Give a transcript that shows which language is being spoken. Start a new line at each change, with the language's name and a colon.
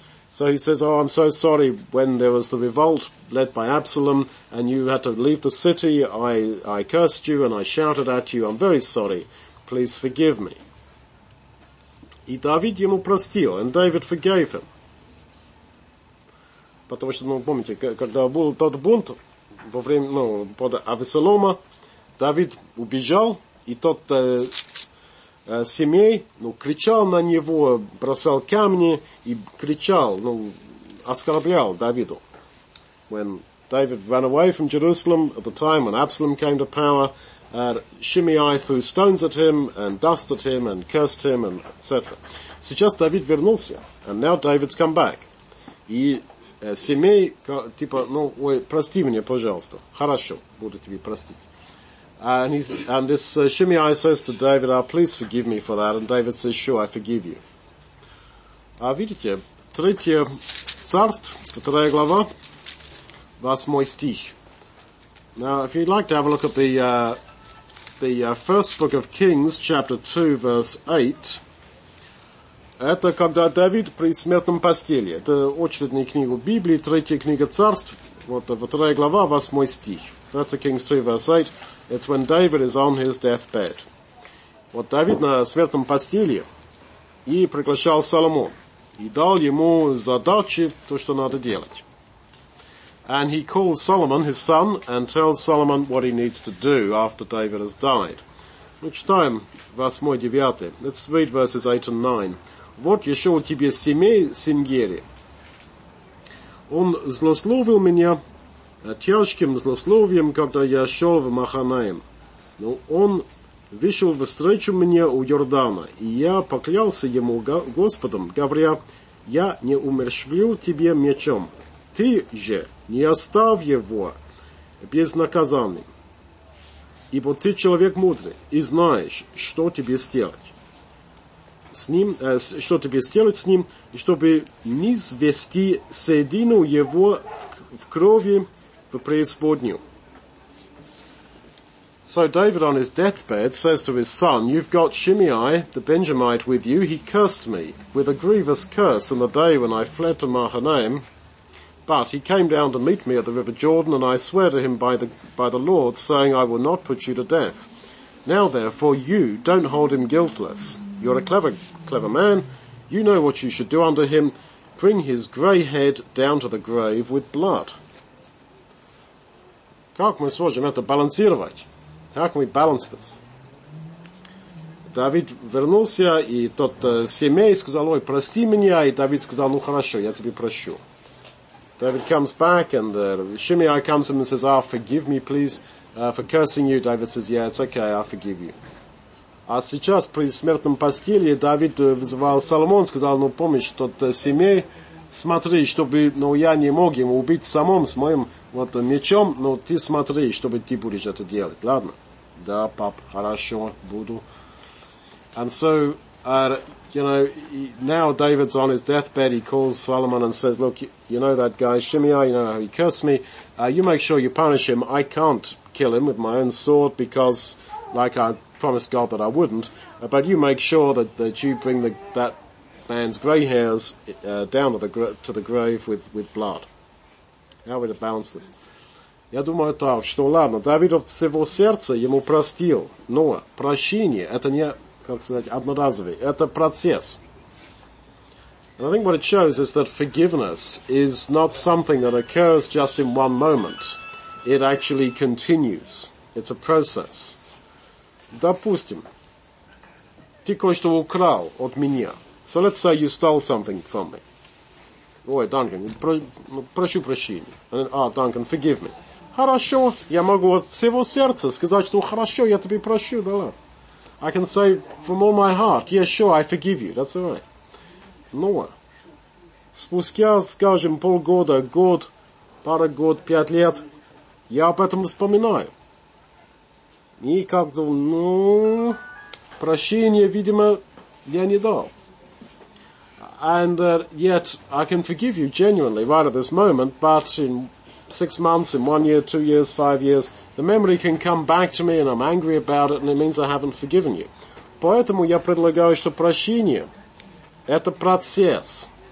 English: So he says, oh, I'm so sorry, when there was the revolt led by Absalom and you had to leave the city, I cursed you and I shouted at you, I'm very sorry, please forgive me.
Russian: И Давид ему простил,
English: and David forgave him.
Russian: Потому что, ну, помните, когда был тот бунт во время, ну, под Авесалома, Давид убежал, и тот семей, ну, кричал на него, бросал камни и кричал, ну, оскорблял Давиду.
English: When David ran away from Jerusalem at the time when Absalom came to power, Shimei threw stones at him and dust at him and cursed him and etc.
Russian: Сейчас Давид вернулся,
English: and now David's come back.
Russian: И семей, типа, ну, ой, прости меня, пожалуйста. Хорошо, буду тебе простить.
English: And this Shimei says to David, oh, please forgive me for that. And David says, sure, I forgive you.
Russian: А видите, третье царство, вторая глава, восьмой стих.
English: Now, if you'd like to have a look at the first book of Kings, chapter 2, verse 8,
Russian: это когда Давид при смертном постели. Это очередная книга Библии, третья книга царств, вот вторая глава, восьмой стих.
English: First of Kings 2, verse 8. It's when David is on his deathbed.
Russian: Вот Давид на смертном постели и приглашал Соломон и дал ему задачи, то, что надо делать.
English: And he calls Solomon, his son, and tells Solomon what he needs to do after David has died.
Russian: Мы читаем 8-9.
English: Let's read verses 8 and 9.
Russian: Вот еще у тебя семей, сын Гери. Он злословил меня тяжким злословием, когда я шел в Маханаим. Но он вышел встречу мне у Йордана, и я поклялся ему Господом, говоря, я не умерщвлю тебе мечом, ты же не оставь его без наказания, ибо ты человек мудрый, и знаешь, что тебе сделать с ним, и чтобы низвести седину его в крови в преисподнюю.
English: So David on his deathbed says to his son, you've got Shimei, the Benjamite, with you. He cursed me with a grievous curse in the day when I fled to Mahanaim. But he came down to meet me at the River Jordan, and I swear to him by the Lord, saying, I will not put you to death. Now therefore you don't hold him guiltless. You're a clever man. You know what you should do unto him. Bring his grey head down to the grave with blood.
Russian: Как мы сможем это балансировать?
English: How can we balance this?
Russian: Давид вернулся, и тот семей сказал, ой, прости меня, и Давид сказал, ну хорошо, я тебе прощу.
English: David comes back, and Shimei comes in and says, ah, oh, forgive me, please, for cursing you. David says, yeah, it's okay, I forgive you.
Russian: А сейчас при смертном постели Давид вызывал Соломон, сказал, ну помнишь, тот семей, смотри, чтобы, ну, я не мог ему убить самому с моим вот мечом, но ты смотри, чтобы ты будешь это делать, ладно? Да, пап, хорошо, буду.
English: And so, you know, now David's on his deathbed, he calls Solomon and says, look, you know that guy Shimei, you know how he cursed me, you make sure you punish him. I can't kill him with my own sword because, like, I promised God that I wouldn't, but you make sure that you bring that man's grey hairs down to the grave with blood. How are we to balance this?
Russian: Я думаю так, что ладно, Давид от всего сердца ему простил, но прощение это не, как сказать, одноразовый, это процесс.
English: And I think what it shows is that forgiveness is not something that occurs just in one moment. It actually continues. It's a process.
Russian: Допустим, ты кое-что украл от меня.
English: So let's say you stole something from me.
Russian: Ой, Данкан, прошу прощения.
English: Данкан, forgive me.
Russian: Хорошо, я могу от всего сердца сказать, что хорошо, я тебе прощу, да ладно.
English: I can say from all my heart, yes, sure, I forgive you, that's alright.
Russian: Но спустя, скажем, полгода, год, пара год, пять лет, я об этом вспоминаю. И как-то, ну, прощения, видимо, я не дал.
English: And yet, I can forgive you genuinely right at this moment, but in 6 months, in 1 year, 2 years, 5 years, the memory can come back to me and I'm angry about it and it means I haven't forgiven you.
Russian: Поэтому я предлагаю, что прощение – это процесс.